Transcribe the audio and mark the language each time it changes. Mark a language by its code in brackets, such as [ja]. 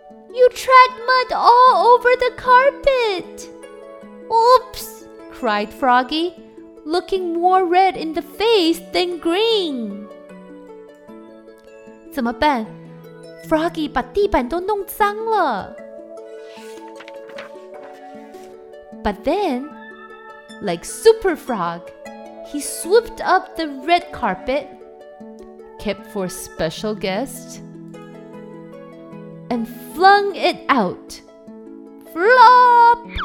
[en] You tracked mud all over the carpet. Oops, cried Froggy, looking more red in the face than green. [zh] 怎么办? Froggy 把地板都弄脏了。 [en] But then, like Super Frog, he swooped up the red carpet, kept for special guests, and flung it out. Flop!